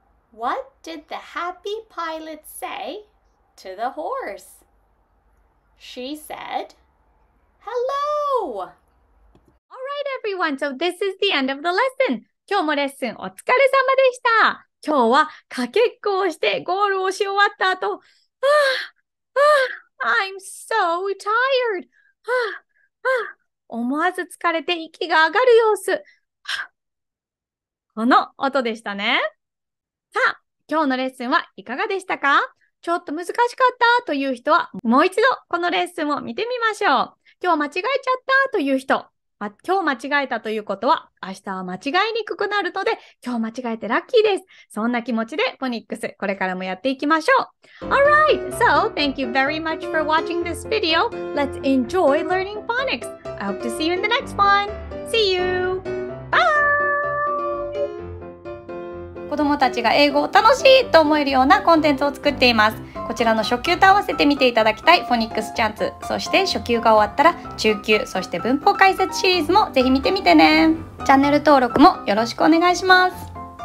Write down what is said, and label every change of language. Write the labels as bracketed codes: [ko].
[en] What did the happy pilot say to the horse? She said, hello. All right, everyone. So this is the end of the lesson. [ja] 今日もレッスンお疲れ様でした。今日はかけっこをしてゴールをし終わった後、 [en] I'm so tired. [ja] 思わず疲れて息が上がる様子。この音でしたね。さあ、今日のレッスンはいかがでしたか？ちょっと難しかったという人は、もう一度このレッスンを見てみましょう。今日間違えちゃったという人、今日間違えたということは、明日は間違いにくくなるので、今日間違えてラッキーです。そんな気持ちで、フォニックス、これからもやっていきましょう。 [en] Alright! So, thank you very much for watching this video. Let's enjoy learning phonics. I hope to see you in the next one. See you! Bye! [ja] 子どもたちが英語を楽しいと思えるようなコンテンツを作っています。こちらの初級と合わせて見ていただきたいフォニックスチャンス、そして初級が終わったら中級、そして文法解説シリーズもぜひ見てみてね。チャンネル登録もよろしくお願いします。